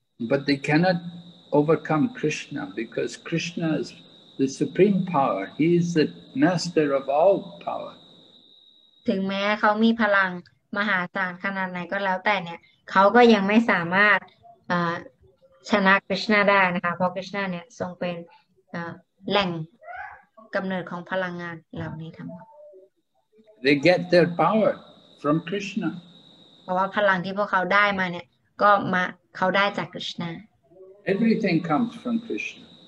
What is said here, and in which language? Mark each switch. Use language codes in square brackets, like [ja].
[en] But they cannot overcome Krishna because Krishna is the supreme power. He is the master of all power. [th] ถึงแม้เขามีพลังมหาศาลขนาดไหนก็แล้วแต่เนี่ยเขาก็ยังไม่สามารถชนะกฤษณาได้นะคะเพราะกฤษณาเนี่ยทรงเป็นแหล่งกำเนิดของพลังงานเหล่านี้ทั้งหมด [en] They get their power from Krishna [th] เพราะว่าพลังที่พวกเขาได้มาเนี่ยก็มาเขาได้จากกฤษณา [en] Everything comes from Krishna